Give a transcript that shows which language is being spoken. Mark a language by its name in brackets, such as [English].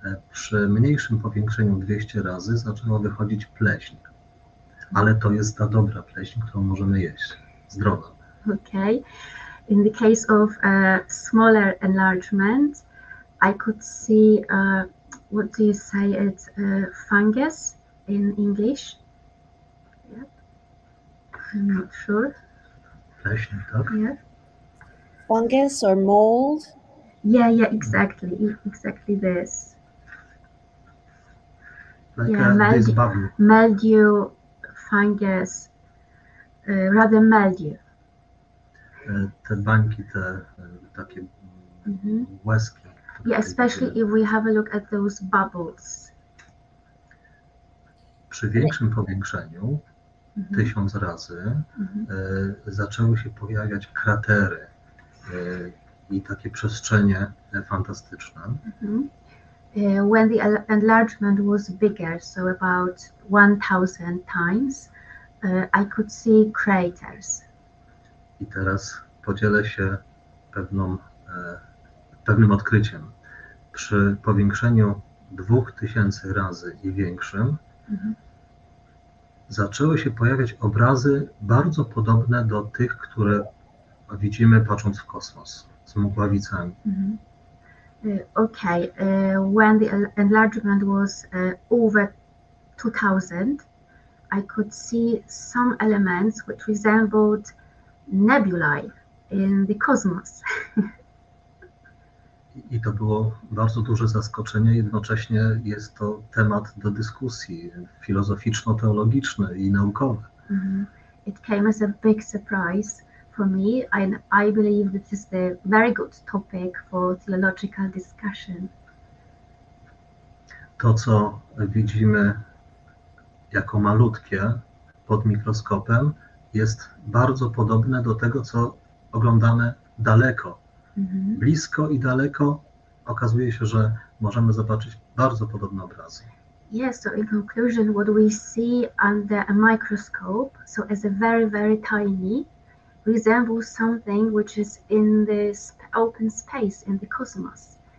[Polish] Przy mniejszym powiększeniu 200 razy zaczęła wychodzić pleśń. Ale to jest ta dobra pleśń, którą możemy jeść. Zdrowa. [English] Okay. In the case of a smaller enlargement, I could see, what do you say, it's a fungus in English? Yep. I'm not sure. Yeah. Fungus or mold? Yeah, exactly this. Like mildew fungus, rather mildew. [Polish] Te bańki, te takie łezki. [English] Yeah, especially if we have a look at those bubbles. [Polish] Przy większym powiększeniu, tysiąc razy, zaczęły się pojawiać kratery i takie przestrzenie fantastyczne. [English] When the enlargement was bigger, so about 1,000 times, I could see craters. [Polish] I teraz podzielę się pewnym odkryciem. Przy powiększeniu 2000 razy i większym, zaczęły się pojawiać obrazy bardzo podobne do tych, które widzimy patrząc w kosmos, z mgławicami. [English] Okay, when the enlargement was over 2000, I could see some elements which resembled nebulae in the cosmos. [Polish] I to było bardzo duże zaskoczenie, jednocześnie jest to temat do dyskusji filozoficzno-teologiczny i naukowy. [English] It came as a big surprise for me, and I believe this is a very good topic for theological discussion. [Polish] To, co widzimy jako malutkie pod mikroskopem, jest bardzo podobne do tego, co oglądamy daleko. Blisko i daleko okazuje się, że możemy zobaczyć bardzo podobne obrazy. [English] Yes, so in conclusion, what we see under a microscope, so as a very, very tiny, resembles something which is in the open space in the cosmos.